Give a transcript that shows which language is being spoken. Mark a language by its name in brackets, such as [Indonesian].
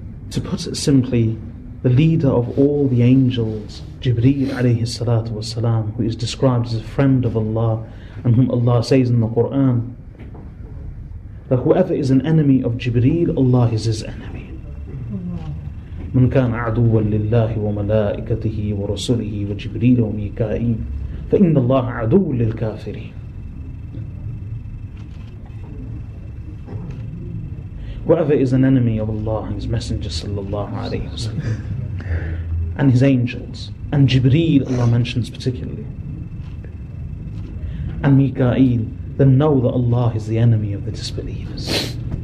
[English] To put it simply, the leader of all the angels, Jibreel alayhi salatu wasalam, who is described as a friend of Allah, and whom Allah says in the Quran, that whoever is an enemy of Jibreel, Allah is his enemy. [Arabic] من كان عدوا لله وملائكته ورسله وجبريل وميكائيل فإن الله عدو للكافرين. [English] Whoever is an enemy of Allah and His Messenger sallallahu alayhi wa sallam and His angels and Jibreel, Allah mentions particularly, and Mikael, then know that Allah is the enemy of the disbelievers.